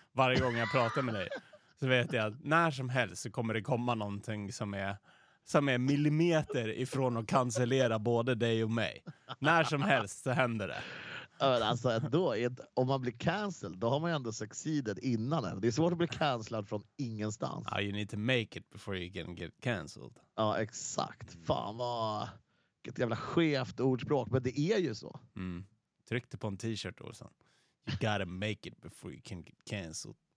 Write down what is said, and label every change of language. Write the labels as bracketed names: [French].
[Swedish] Varje gång jag pratar med dig så vet jag att när som helst så kommer det komma någonting som är millimeter ifrån att cancellera både dig och mig. När som helst så händer det. Alltså, då om man blir cancelled, då har man ju ändå [English] succeeded [Swedish] innan. Det är svårt att bli cancelled från ingenstans. [English] Yeah, you need to make it before you can get cancelled. [Swedish] Ja, exakt. Fan vad... Vilket jävla skevt ordspråk, men det är ju så. Mm. Tryck dig på en t-shirt, Olsson. [English] You gotta make it before you can get cancelled.